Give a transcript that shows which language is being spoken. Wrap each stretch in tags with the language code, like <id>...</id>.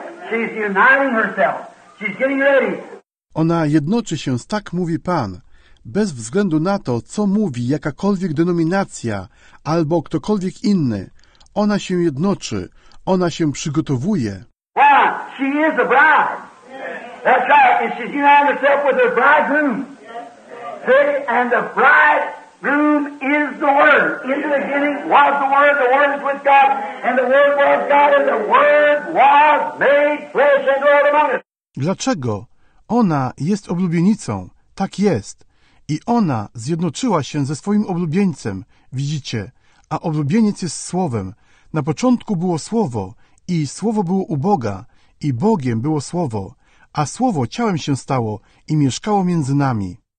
<en>She's uniting herself. She's getting ready.</en> <pl>Ona jednoczy się z Tak Mówi Pan, bez względu na to, co mówi jakakolwiek denominacja albo ktokolwiek inny. Ona się jednoczy, ona się przygotowuje.</pl> <en>Why? She is a bride. That's right. And she's united herself with her bridegroom. See? And the bridegroom is the Word. In the beginning was the Word is with God, and the Word was God, and the Word was made flesh and dwelt among us.</en> <pl>Dlaczego? Ona jest oblubienicą. Tak jest. I ona zjednoczyła się ze swoim oblubieńcem. Widzicie? A oblubieniec jest Słowem. Na początku było Słowo, i Słowo było u Boga, i Bogiem było Słowo. A Słowo ciałem się stało i mieszkało między nami.</pl>